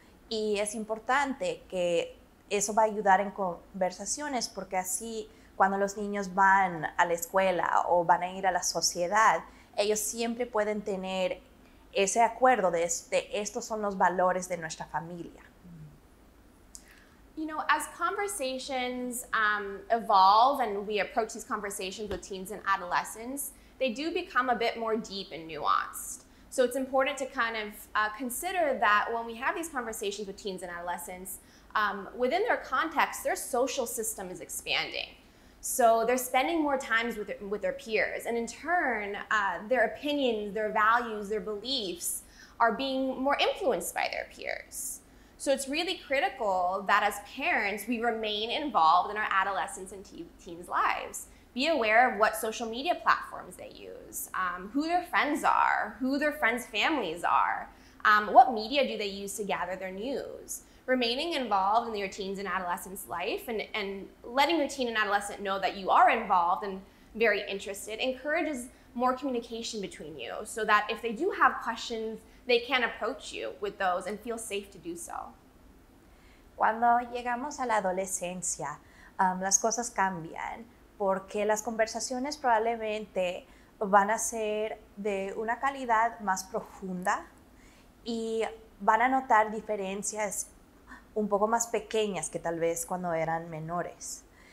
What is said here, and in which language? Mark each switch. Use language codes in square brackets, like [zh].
[es] Y es importante que eso va a ayudar en conversaciones, porque así cuando los niños van a la escuela o van a ir a la sociedad, ellos siempre pueden tener ese acuerdo de estos son los valores de nuestra familia. [en] You know, as conversations evolve and we approach these conversations with teens and adolescents, they do become a bit more deep and nuanced. So it's important to kind of consider that when we have these conversations with teens and adolescents, within their context, their social system is expanding. So they're spending more time with their peers. And in turn, their opinions, their values, their beliefs are being more influenced by their peers. So it's really critical that as parents, we remain involved in our adolescents and teens' lives. Be aware of what social media platforms they use, who their friends are, who their friends' families are, what media do they use to gather their news. Remaining involved in your teens and adolescents' life and letting your teen and adolescent know that you are involved and very interested encourages more communication between you so that if they do have questions, they can approach you with those and feel safe to do so. [es] Cuando llegamos a la adolescencia, las cosas cambian porque las conversaciones probablemente van a ser de una calidad más profunda y van a notar diferencias un poco más pequeñas que tal vez cuando eran menores.